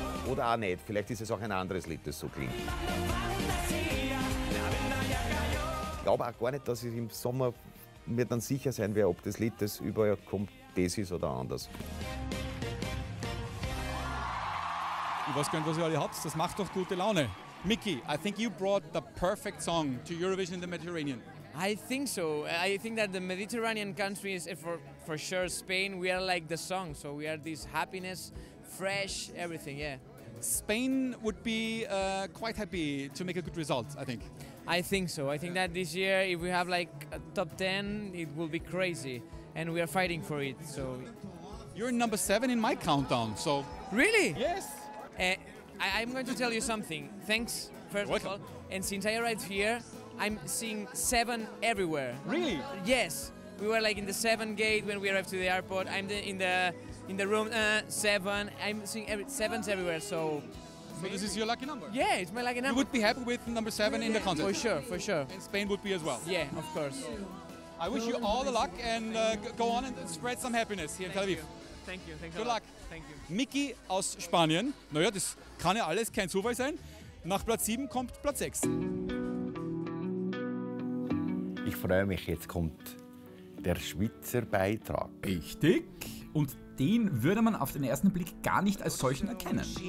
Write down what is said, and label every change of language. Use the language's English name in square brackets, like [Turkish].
[German] Oder auch nicht, vielleicht ist es auch ein anderes Lied, das so klingt. Ich glaube auch gar nicht, dass ich im Sommer mir dann sicher sein werde, ob das Lied, das überall kommt, das ist oder anders. Ich weiß gar nicht, was ihr alle habt, das macht doch gute Laune. [English] Mickey, I think you brought the perfect song to Eurovision in the Mediterranean. I think so. I think that the Mediterranean countries, for sure Spain, we are like the song. So we are this happiness, fresh, everything, yeah. Spain would be quite happy to make a good result, I think. I think so. I think that this year, if we have like a top 10, it will be crazy. And we are fighting for it, so. You're number 7 in my countdown, so. Really? Yes. I'm going to tell you something. Thanks, first of all. And since I arrived here, I'm seeing 7 everywhere. Really? Yes. We were like in the 7 gate when we arrived to the airport. I'm in the room, 7. I'm seeing 7s everywhere, so. So this is your lucky number? Yeah, it's my lucky number. You would be happy with number 7 in the contest? For sure, for sure. And Spain would be as well? Yeah, of course. I wish you all the luck and go on and spread some happiness here in Tel Aviv. Thank you. Thank you. Good luck. [German] Mickey aus Spanien. Naja, das kann ja alles kein Zufall sein. Nach Platz 7 kommt Platz 6. Ich freue mich, jetzt kommt der Schweizer Beitrag. Richtig. Und den würde man auf den ersten Blick gar nicht als solchen erkennen.